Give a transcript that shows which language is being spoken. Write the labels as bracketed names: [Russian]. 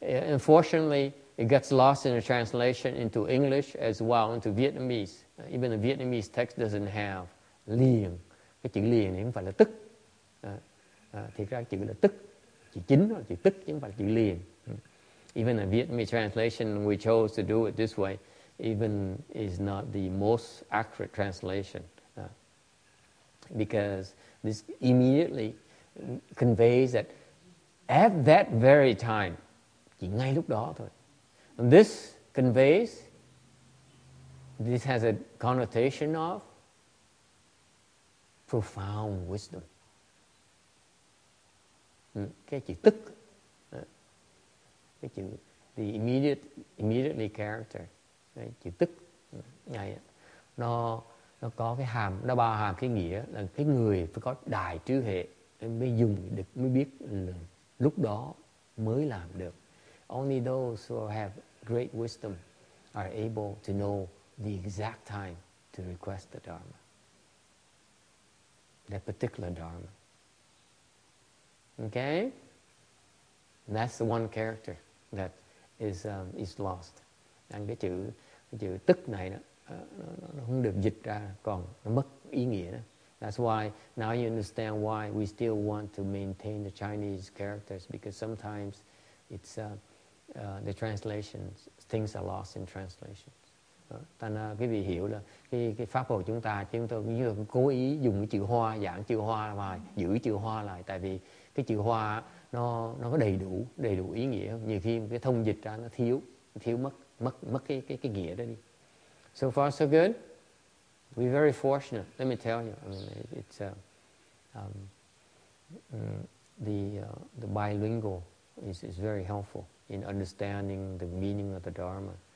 [English] Unfortunately, it gets lost in a translation into English as well, into Vietnamese. Even the Vietnamese text doesn't have [Vietnamese] liền. Cái chữ liền này không phải là tức. Thiệt ra chữ là tức. Chữ chính là chữ tức, chứ không phải là chữ liền. [English] Even the Vietnamese translation, we chose to do it this way, even is not the most accurate translation. Because this immediately conveys that at that very time, [Vietnamese] chỉ ngay lúc đó thôi, [English] and this conveys, this has a connotation of profound wisdom. [Vietnamese] Cái chữ tức, cái chữ [English] the immediately character, [Vietnamese] cái chữ tức này, nó có cái hàm, nó bao hàm cái nghĩa là cái người phải có đại trí huệ mới dùng được, mới biết lúc đó mới làm được. [English] Only those who have great wisdom are able to know the exact time to request the Dharma, that particular Dharma. Okay? And that's the one character that is lost. [Vietnamese] And cái chữ, tức này đó, nó không được dịch ra, còn nó mất ý nghĩa đó. [English] That's why now you understand why we still want to maintain the Chinese characters, because sometimes it's the translations, things are lost in translations. [Vietnamese] Thành quý vị hiểu là cái pháp hồ chúng ta như cố ý dùng cái chữ Hoa, giảng chữ Hoa và giữ chữ Hoa lại, tại vì cái chữ Hoa nó có đầy đủ ý nghĩa. Nhiều khi cái thông dịch ra nó thiếu mất cái nghĩa đó đi. [English] So far so good. We're very fortunate, let me tell you. I mean, it's the bilingual is very helpful in understanding the meaning of the Dharma.